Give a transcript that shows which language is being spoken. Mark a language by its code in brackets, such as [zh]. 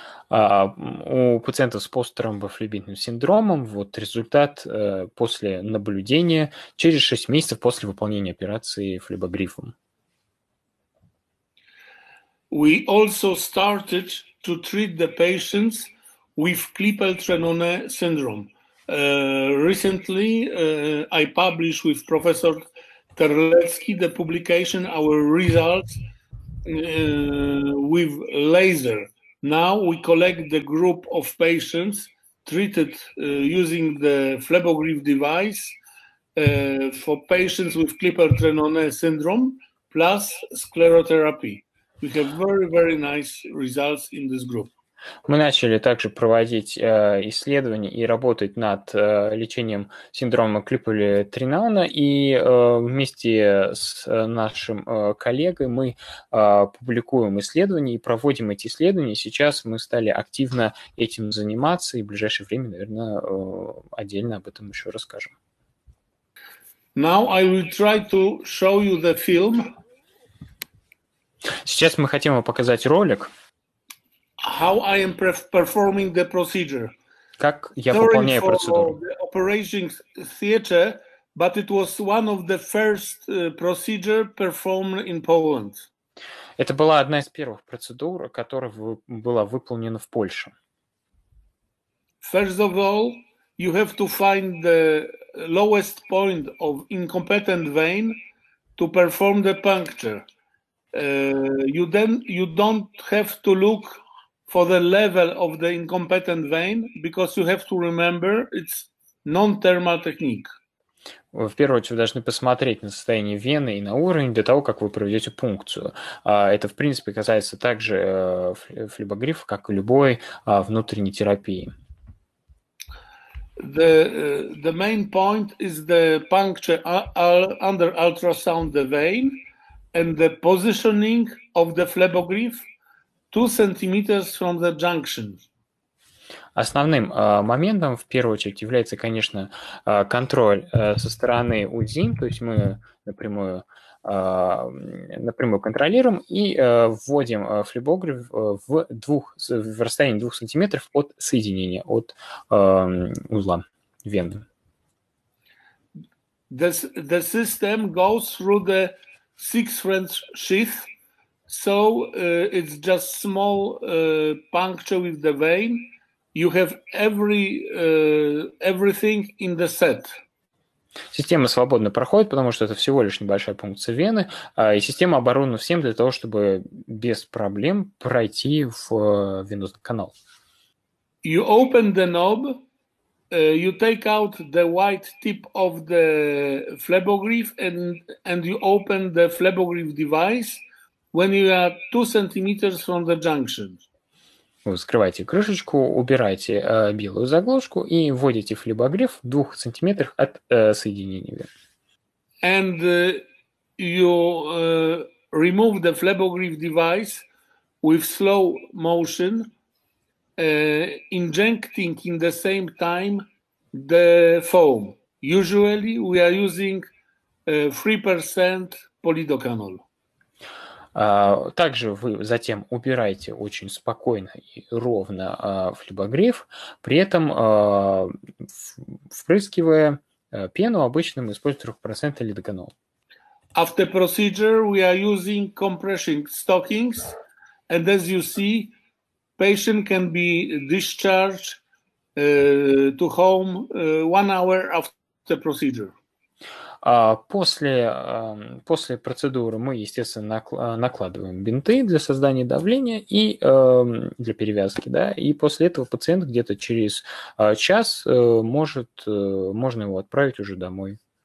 [ru] У пациентов с посттромбофлебитным синдромом вот результат после наблюдения через 6 месяцев после выполнения операции флебогрифом. [en] We also started to treat the patients with Klippel-Trenaunay syndrome. Recently, I published with Professor Terlecki the publication, our results with laser. Now we collect the group of patients treated using the flebogrif device for patients with Klippel-Trenaunay syndrome plus sclerotherapy. We have very, very nice results in this group. [ru] Мы начали также проводить исследования и работать над лечением синдрома Клиппеля-Тренауна, и вместе с нашим коллегой мы публикуем исследования и проводим эти исследования. Сейчас мы стали активно этим заниматься, и в ближайшее время, наверное, отдельно об этом еще расскажем. [en] Now I will try to show you the film. [ru] Сейчас мы хотим вам показать ролик. [en] How I am performing the procedure. [ru] Как я выполняю процедуру. [en] The operation theater, but it was one of the first procedure performed in Poland. [ru] Это была одна из первых процедур, которая была выполнена в Польше. [en] First of all, you have to find the lowest point of incompetent vein to perform the puncture. You don't have to look for the level of the incompetent vein, because you have to remember it's non-thermal technique. [ru] в первую очередь, вы должны посмотреть на состояние вены и на уровень до того, как вы проведете пункцию. Это, в принципе, касается также флебогрифа, как и любой внутренней терапии. [en] The main point is the puncture under ultrasound the vein and the positioning of the flebogrif 2 centimeters from the junction. [ru] Основным моментом в первую очередь является, конечно, контроль со стороны УЗИ, то есть мы напрямую контролируем и вводим флебогриф в расстоянии 2 сантиметров от соединения, от узла вены. [en] The system goes through the 6-French sheath, so it's just small puncture with the vein. You have everything in the set. [ru] Система свободно проходит, потому что это всего лишь небольшая пункция вены, и система оборудована всем для того, чтобы без проблем пройти в венозный канал. [en] You open the knob, you take out the white tip of the flebogrif and you open the flebogrif device when you are 2 centimeters from the junction. [ru] Вы вскрываете крышечку, убираете белую заглушку и вводите флебогриф в 2 сантиметрах от соединения вен. [en] And you remove the flebogrif device with slow motion, injecting in the same time the foam. Usually we are using 3% polidocanol. [ru] Также вы затем убираете очень спокойно и ровно флебогриф, при этом впрыскивая пену, обычно мы используем 3% лидоканол. [en] After procedure we are using compression stockings, and as you see, patient can be discharged to home 1 hour after procedure. [ru] После процедуры мы, естественно, накладываем бинты для создания давления и для перевязки, да, и после этого пациент где-то через час можно его отправить уже домой.